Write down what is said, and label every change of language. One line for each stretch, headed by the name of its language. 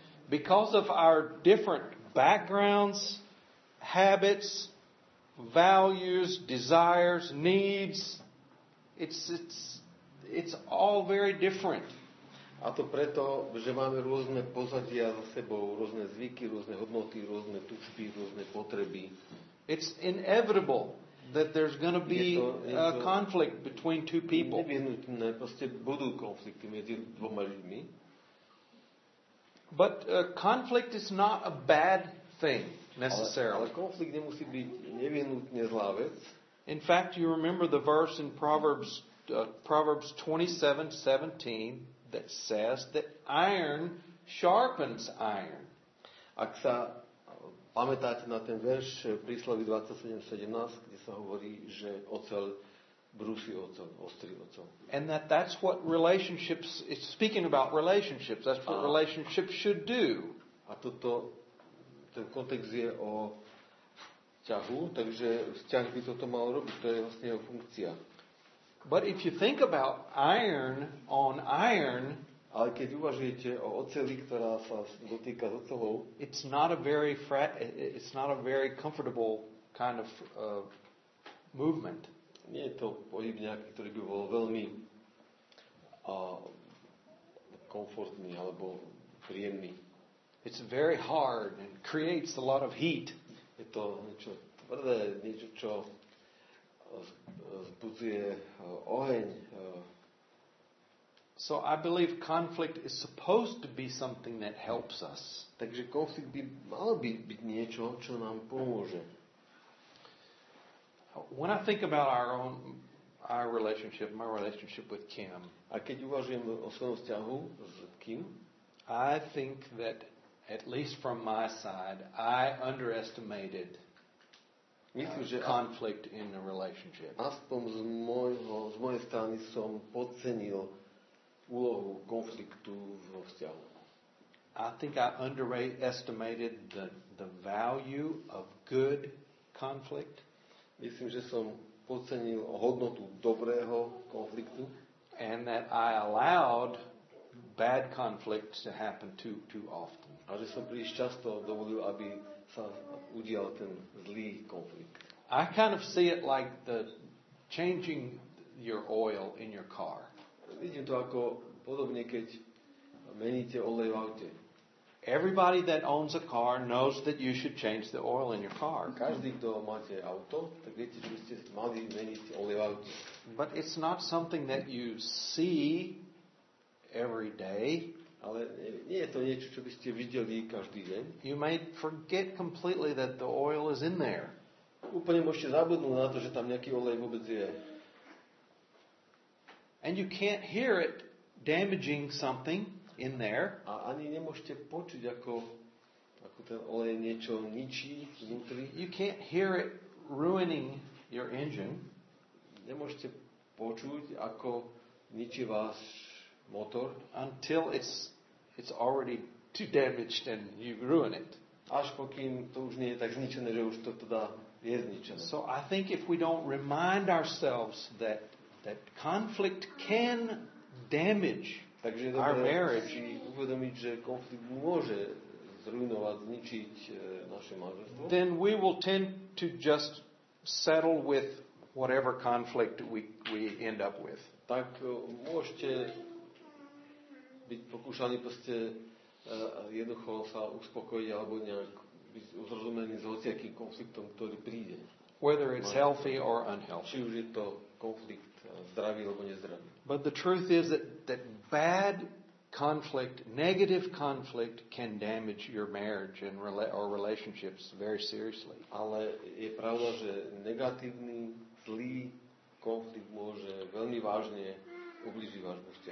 English: Because of our different backgrounds, habits, values, desires, needs, it's all very different.
Slovak: A to preto, že máme rôzne pozadia za sebou, rôzne zvyky, rôzne hodnoty, rôzne túžby, rôzne potreby.
English: It's inevitable that there's going to be a conflict between two people.
Slovak: Nevyhnutné, proste budú konflikty medzi dvoma ľuďmi.
English: But conflict is not a bad thing necessarily.
Slovak: Ale konflikt nemusí byť nevyhnutne zlá vec.
English: In fact, you remember the verse in Proverbs 27:17 that says that iron sharpens iron.
Slovak: Ak sa pamätáte na ten verš prísloví 27:17, kde sa hovorí, že oceľ brúsi oceľ, ostrý oceľ.
English: And that's what relationships, it's speaking about relationships, that's what relationships should do.
Slovak: A toto, ten kontext je o vzťahu, takže vzťah by toto mal robiť, to je vlastne jeho funkcia.
English: But if you think about iron on iron,
Slovak: ale keď uvažujete o oceli, ktorá sa dotýka z oceľov,
English: it's not a very comfortable kind of movement.
Slovak: Nie je to pohyb nejaký, ktorý by bol veľmi komfortný alebo príjemný.
English: It's very hard and creates a lot of heat.
Slovak: Je to niečo tvrdé, niečo, čo vzbudzuje oheň.
English: So I believe conflict is supposed to be something that helps us.
Slovak: Takže konflikt by mal byť niečo, čo nám pomôže.
English: When I think about our relationship, my relationship with Kim.
Slovak: A keď uvažujem o svojom vzťahu s Kim,
English: I think that at least from my side, I underestimated conflict in the relationship.
Slovak: Aspoň z mojej strany som podcenil úlohu konfliktu vo vzťahu.
English: I think I underestimated the value of good conflict.
Slovak: Myslím, že som podcenil hodnotu dobrého konfliktu.
English: And that I allowed bad conflicts to happen too often.
Slovak: A že som príliš často dovolil, aby sa udial ten zlý konflikt.
English: I kind of see it like the changing your oil in your car.
Slovak: Vidím to ako podobne, keď meníte olej v aute.
English: Everybody that owns a car knows that you should change the oil in your car.
Slovak: Každý, kto máte auto, tak viete, že ste mali meniť olej v aute.
English: But it's not something that you see every day.
Slovak: Ale nie je to niečo, čo by ste videli každý deň.
English: You might forget completely that the oil is in there.
Slovak: Úplne môžete zabudnúť na to, že tam nejaký olej vôbec je.
English: And you can't hear it damaging something in there.
Slovak: A ani nemôžete počuť, ako ten olej niečo ničí vnútri.
English: You can't hear it ruining your engine.
Slovak: Nemôžete počuť, ako ničí vás motor.
English: Until it's already too damaged and you ruin it.
Slovak: Až pokým to už nie je tak zničené, že už to teda je zničené.
English: So I think if we don't remind ourselves that conflict can damage our marriage,
Slovak: uvedomiť, že konflikt môže zrujnovať, zničiť naše manželstvo,
English: then we will tend to just settle with whatever conflict we end up with.
Slovak: Tak môžete byť pokúšaný proste jednoducho sa uspokojiť alebo nejak byť uzrozumený s hociakým konfliktom, ktorý príde.
English: Whether it's healthy or unhealthy.
Slovak: Či už je to konflikt zdravý alebo nezdravý.
English: But the truth is that bad conflict, negative conflict can damage your marriage and or relationships very seriously.
Slovak: Ale je pravda, že negatívny, zlý konflikt môže veľmi vážne ubližiť váš vzťah.